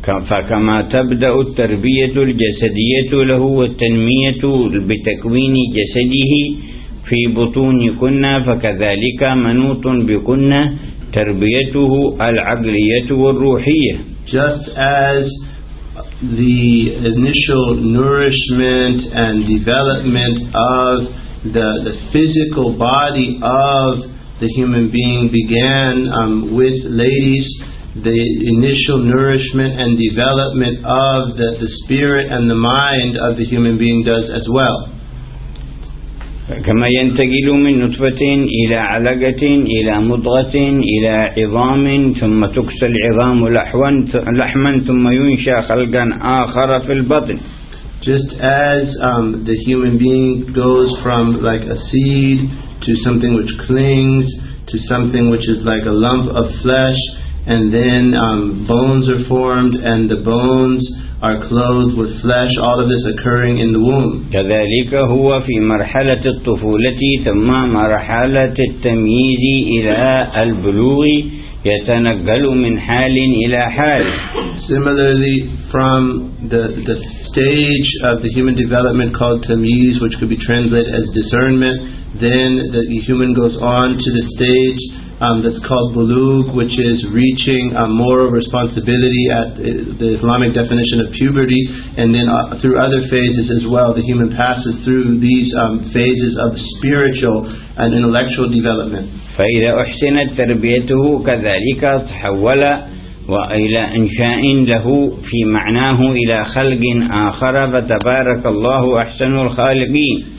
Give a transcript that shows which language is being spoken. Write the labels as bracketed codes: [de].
[ar] فكما تبدأ التربية الجسدية له والتنمية بتكوين جسده في بطون كنا فكذلك منوط بكنا تربيته العقلية والروحية. [en] Just as the initial nourishment and development of the physical body of the human being began with ladies, the initial nourishment and development of the spirit and the mind of the human being does as well. [ar] كما ينتقل من نطفة إلى علقة إلى مضغة إلى عظام ثم تكسى العظام لحما ثم ينشأ خلقا آخر في البطن. [en] Just as the human being goes from like a seed to something which clings to something which is like a lump of flesh, and then bones are formed and the bones are clothed with flesh, all of this occurring in the womb. [ar] كذلك هو في مرحلة الطفولة ثم مرحلة التمييز إلى البلوغ يتنقل من حال إلى حال. [en] Similarly, from the stage of the human development called tamyiz, which could be translated as discernment, then the human goes on to the stage that's called bulugh, which is reaching a moral responsibility at the Islamic definition of puberty, and then through other phases as well, the human passes through these phases of spiritual and intellectual development. [ar] فإذا أحسنت تربيته كذلك تحول وإلى إنشاء له في معناه إلى خلق آخر فتبارك الله أحسن الخالقين.